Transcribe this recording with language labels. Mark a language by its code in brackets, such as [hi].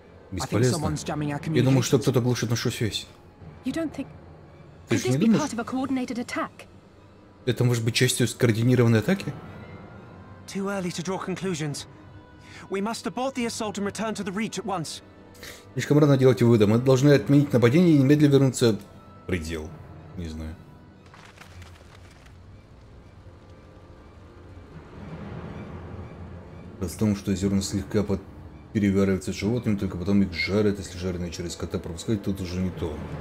[ru] Бесполезно. Я думаю, что кто-то глушит нашу связь. Ты же не думаешь? Это может быть частью скоординированной атаки? [en] Too early to draw conclusions. We must abort the assault and return to the Reach at once. [ru] Слишком рано делать выводы. Мы должны отменить нападение и немедленно вернуться в предел. Не знаю. Просто потому, что зерна слегка под перевариваются животным, только потом их жарят, если жареные через кота пропускать, тут уже не то.